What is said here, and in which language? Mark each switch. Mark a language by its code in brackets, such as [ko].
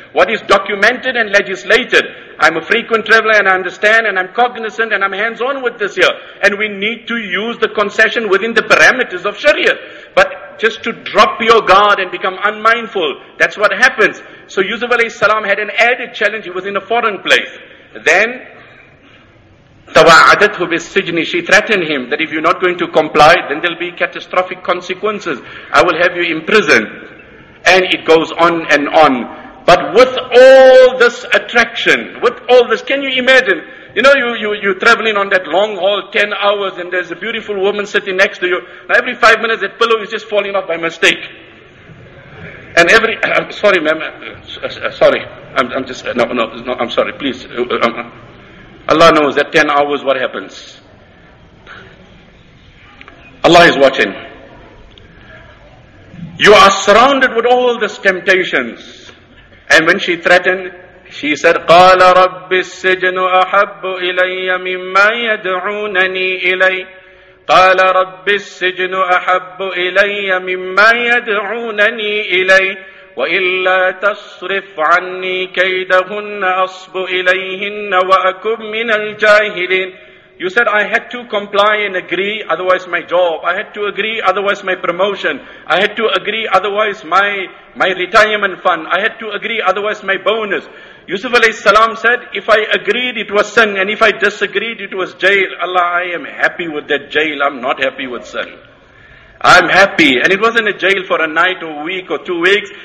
[en] What is documented and legislated? I'm a frequent traveler and I understand and I'm cognizant and I'm hands-on with this here. And we need to use the concession within the parameters of Sharia. But just to drop your guard and become unmindful, that's what happens. So Yusuf alayhi salam had an added challenge. He was in a foreign place. [ar] Then, تَوَعَدَتْهُ بِالسِّجْنِ. [en] She threatened him that if you're not going to comply, then there'll be catastrophic consequences. I will have you imprisoned. And it goes on and on. But with all this attraction, with all this, can you imagine? You know, you're traveling on that long haul, 10 hours, and there's a beautiful woman sitting next to you. Now every 5 minutes, that pillow is just falling off by mistake. And every, sorry ma'am, sorry, I'm sorry, please. Allah knows that 10 hours, what happens? Allah is watching. You are surrounded with all these temptations. And when she threatened, she said, [ar] قَالَ رَبِّ السِّجْنُ أَحَبُّ إِلَيَّ مِمَّا يَدْعُونَنِي إِلَيَّ قَالَ رَبِّ السِّجْنُ أَحَبُّ إِلَيَّ مِمَّا يَدْعُونَنِي إِلَيَّ وَإِلَّا تَصْرِفْ عَنِّي كَيْدَهُنَّ أَصْبُ إِلَيْهِنَّ وَأَكُمْ مِنَ الْجَاهِلِينَ [en] You said, I had to comply and agree, otherwise my job. I had to agree, otherwise my promotion. I had to agree, otherwise my retirement fund. I had to agree, otherwise my bonus. Yusuf alayhi salam said, if I agreed, it was sin. And if I disagreed, it was jail. Allah, I am happy with that jail. I'm not happy with sin. I'm happy. And it wasn't a jail for a night or a week or 2 weeks.